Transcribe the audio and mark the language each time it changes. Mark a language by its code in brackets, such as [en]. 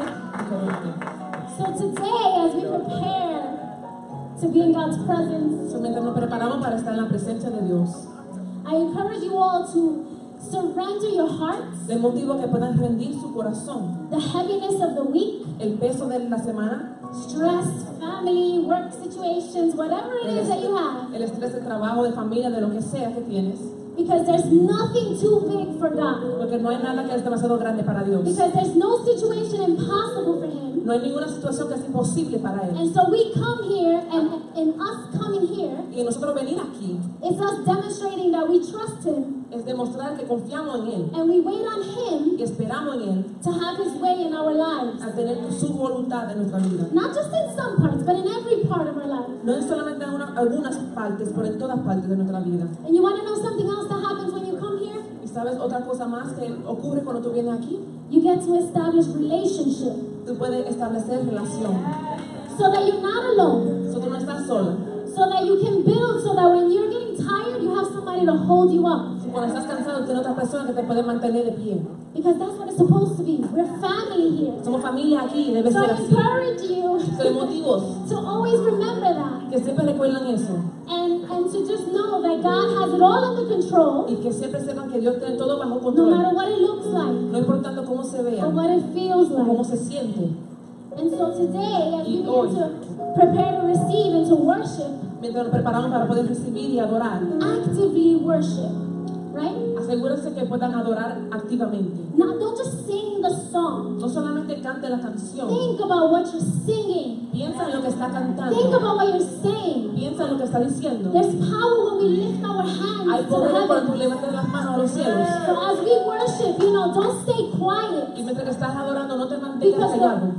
[en] So today, as we prepare to be in God's presence, I encourage you all to surrender your hearts. [es] Les motivo a que puedan rendir su corazón. [en] The heaviness of the week. [es] El peso de la semana. [en] Stress, family, work situations, whatever it is that you have. [es] El estrés de trabajo, de familia, de lo que sea que tienes. [en] Because there's nothing too big for God. [es] Porque no hay nada que es demasiado grande para Dios. [en] Because there's no situation impossible for Him. [es] No hay ninguna situación que es imposible para Él. [en] And so we come here, and us coming here, [es] y nosotros venir aquí, [en] it's us demonstrating that we trust Him. [es] Es demostrar que confiamos en Él. [en] And we wait on Him, [es] y esperamos en Él, [en] to have His way in our lives. [es] A tener su voluntad en nuestra vida. [en] Not just in some parts, but in every part of our lives. [es] No es solamente en algunas partes, pero en todas partes de nuestra vida. [en] And you want to know something else that happens when you come here? [es] ¿Y sabes otra cosa más que ocurre cuando tú vienes aquí? [en] You get to establish relationship. [es] Tú puedes establecer relación. [en] So that you're not alone. [es] So tú no estás sola. [en] So that you can build, so that when you're getting tired, you have somebody to hold you up. [es] Cuando estás cansado, tienes otra persona que te puede mantener de pie. [en] Because that's what it's supposed to be. We're family here. [es] Somos familia aquí, debe so ser [en] así. So I encourage you. [es] Soy motivos. [en] To always remember that. [es] Que siempre recuerden eso. [en] And to just know that God has it all under control. [es] Y que siempre sepan que Dios tiene todo bajo control. [en] No matter what it looks like. [es] No importando cómo se vea. [en] Or what it feels like. [es] Cómo se siente. [en] And so today, as we begin to prepare to receive and to worship. [es] Mientras nos preparamos para poder recibir y adorar. [en] Actively worship. Right? [es] Asegúrense que puedan adorar activamente. [en] Now, don't just sing the song. [es] No solamente cante la canción. [en] Think about what you're singing. [es] Piensa en lo que está cantando. [en] Think about what you're saying. [es] Piensa en lo que está diciendo. [en] There's power when we lift our hands. [es] Hay poder cuando levantas las manos a los cielos. [en] So as we worship, you know, don't stay quiet. [es] Y mientras que estás adorando, no te mantengas callado.